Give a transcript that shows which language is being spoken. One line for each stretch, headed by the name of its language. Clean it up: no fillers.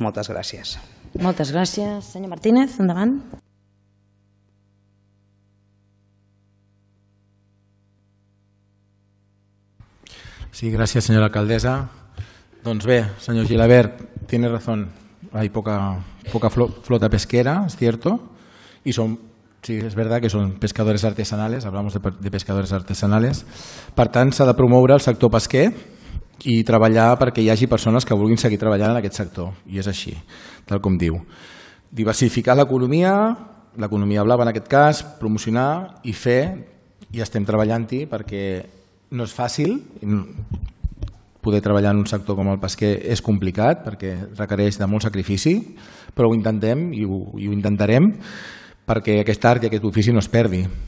Catalan: Moltes gràcies. Moltes gràcies. Senyor Martínez, endavant. Sí, gràcies, senyora alcaldessa. Doncs bé, senyor Gilabert,
Spanish: tiene razón. hay poca flota pesquera, es cierto, y son, sí, es verdad que son pescadores artesanales, hablamos de pescadores artesanales.
Catalan: Per tant, s'ha de promoure el sector pesquer i treballar perquè hi hagi persones que vulguin seguir treballant en aquest sector, i és així, tal com diu. Diversificar l'economia blava en aquest cas, promocionar i fer, i estem treballant-hi perquè no és fàcil, poder treballar en un sector com el pesquer és complicat perquè requereix de molt sacrifici, però ho intentem i ho intentarem perquè aquest art i aquest ofici no es perdi.